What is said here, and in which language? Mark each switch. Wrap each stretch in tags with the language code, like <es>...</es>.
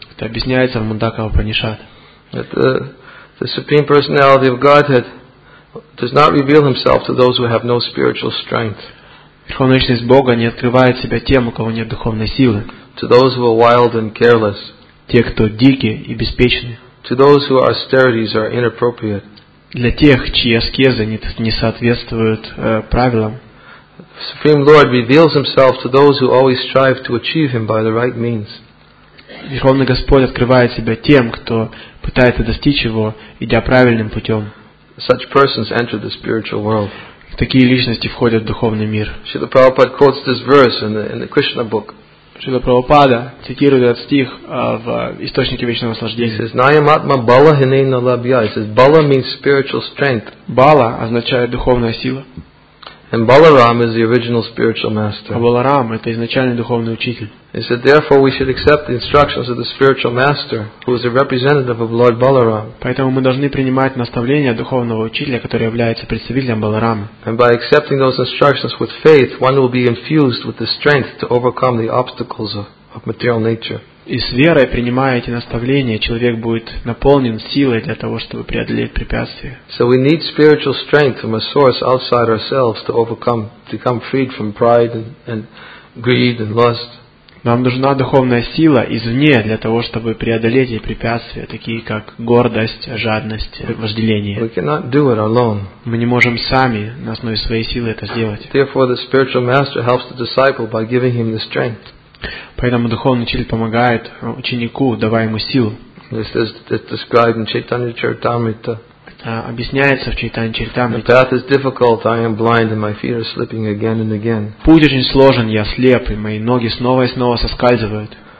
<ru>Это объясняется в Мундака Упанишад.</ru> <en>The Supreme Personality of Godhead does not reveal himself to those who have no spiritual strength.</en> <ru>Верховная личность Бога не открывает себя тем, у кого нет духовной силы.</ru> <en>To those who are wild and careless.</en> <ru>Те, кто дикие и беспечны.</ru> <en>To those who are austerities are inappropriate.</en> <ru>Для тех, чьи аскезы не соответствуют правилам.</ru> <en>Supreme Lord reveals himself to those who always strive to achieve him by the right means.</en> <ru>Верховный Господь открывает себя тем, кто пытается достичь его, идя правильным путем.</ru> <en>Such persons enter the spiritual world.</en> <ru>Такие личности входят в духовный мир.</ru> <en>Srila Prabhupada quotes this verse in the Krishna book.</en> <ru>Srila Prabhupada цитирует этот стих в источнике вечного наслаждения.</ru> <en>He says,</en> <sa>"Nayam atma bala hinena labhya."</sa> <en>He says, "Bala means spiritual strength."</en> <ru>Bala означает духовная сила.</ru> <en>And Balaram is the original spiritual master.</en> <ru>А Баларам это изначальный духовный учитель.</ru> <en>He said, therefore, we should accept the instructions of the spiritual master, who is a representative of Lord Balaram.</en> <ru>Поэтому мы должны принимать наставления духовного учителя, который является представителем Баларама.</ru> <en>And by accepting those instructions with faith, one will be infused with the strength to overcome the obstacles of material nature.</en> <ru>И с верой принимая эти наставления, человек будет наполнен силой для того, чтобы преодолеть препятствия.</ru> <en>So we need spiritual strength from a source outside ourselves to overcome, to become freed from pride and greed and lust.</en> <ru>Нам нужна духовная сила извне для того, чтобы преодолеть эти препятствия, такие как гордость, жадность, вожделение.</ru> <en>We cannot do it alone.</en> <ru>Мы не можем сами на основе своей силы это сделать.</ru> <en>Therefore, the spiritual master helps the disciple by giving him the strength.</en> <ru>Поэтому духовный учитель помогает ученику, давая ему силу. Объясняется в Чайтанья Чаритамрите. Путь очень сложен, я слеп, и мои ноги снова и снова соскальзывают.</ru>